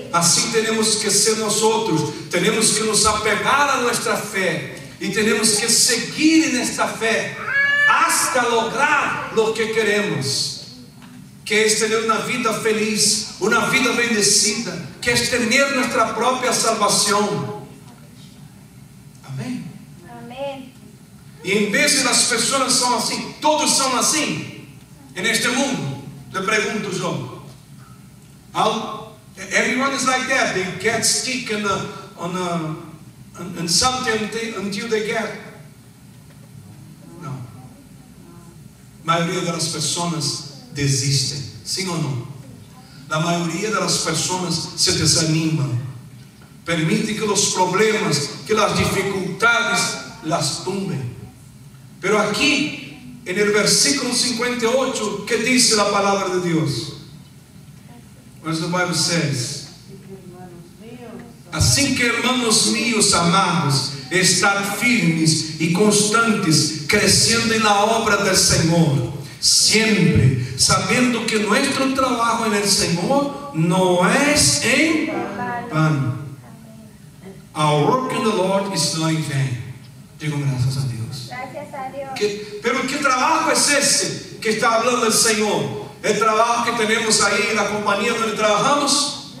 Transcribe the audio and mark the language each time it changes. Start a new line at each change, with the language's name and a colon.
Portuguese: Assim temos que ser nós outros. Temos que nos apegar a nossa fé e temos que seguir nesta fé
Spanish: hasta lograr lo que queremos,
Portuguese: que é ter uma vida feliz, uma vida bendecida, que é ter nossa própria salvação. Amém? Amém. E em vez das pessoas são assim, todos são assim neste mundo, te pergunto, João.
English: Everyone is like that. They get stuck in something until they get.
Portuguese: Não. A maioria das pessoas desistem. Sim ou não? A maioria das pessoas se desanima.
Spanish: Permite que los problemas, que las dificultades las tumben. Pero aquí, en el versículo 58, ¿qué dice la palabra de Dios?
English: What the Bible says.
Spanish: Así que hermanos míos amados, estar firmes y constantes, creciendo en la obra del Señor, siempre sabiendo que nuestro trabajo en el Señor no es en vano.
English: Our work in the Lord is not in vain.
Spanish: Digo gracias a Dios. ¿Qué, pero qué trabajo es ese que está hablando el Señor? ¿El trabajo que tenemos ahí en la compañía donde trabajamos?